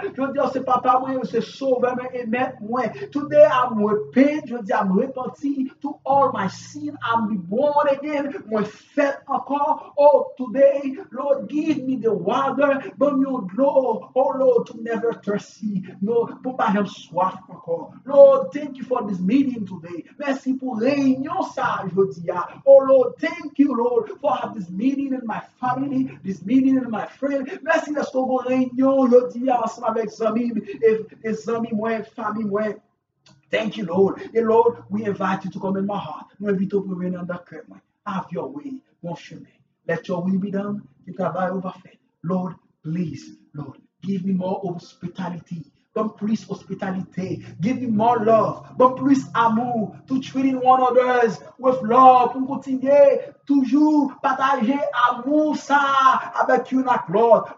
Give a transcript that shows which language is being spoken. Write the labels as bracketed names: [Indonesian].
[French] Je dis, c'est papa, moi, c'est sauveur, mais aimer moi. [English] Today, I'm repent, [French] je dis, [English] I'm repenting to all my sin. I'm born again, [French] moi, fait encore. [English] Oh, today, Lord, give me the water, but you know, oh Lord, to never thirsty. No, [French] pour pas avoir soif encore. [English] Lord, thank you for this meeting today. [French] Merci pour réunion ça aujourd'hui. [English] Oh Lord, thank you, Lord, for having this meeting in my family, this meeting in my friend. [French] Merci de ce réunion aujourd'hui ensemble avec amis moi, famille moi. [English] Thank you, Lord. And Lord, we invite you to come in my heart. [French] Nous invitons pour venir dans cœur moi. [English] Have your way, [French] mon chemin. [English] Let your will be done. [French] Le travail va fait. [English] Lord, please, Lord, give me more hospitality. [French] Bon plus hospitalité, [English] give me more love, [French] bon plus amour, [English] to treating one others with love, [French] pour continuer toujours partager amour ça avec [English] you, not Lord.